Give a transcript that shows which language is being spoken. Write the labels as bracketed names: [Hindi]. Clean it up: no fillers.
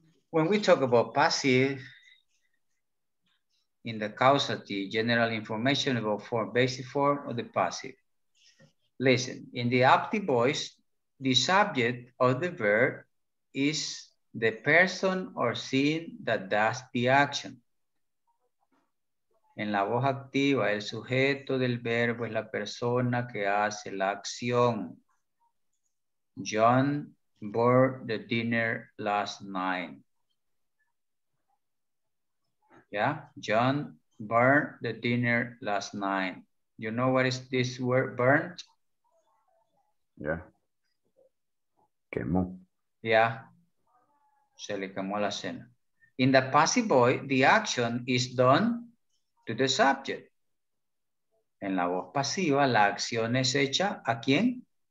[English] When we talk about passive, in the causative, general information about form, basic form of the passive. Listen, in the active voice, the subject of the verb is the person or scene that does the action. [Spanish] En la voz activa, el sujeto del verbo es la persona que hace la acción. [English] John bought the dinner last night. Yeah, John burned the dinner last night. You know what is this word, burnt? [Spanish] Yeah. Quemó. Yeah. Se le quemó la cena. [English] In the passive voice, the action is done to the subject. [Spanish] En la voz pasiva, la acción es hecha a quién?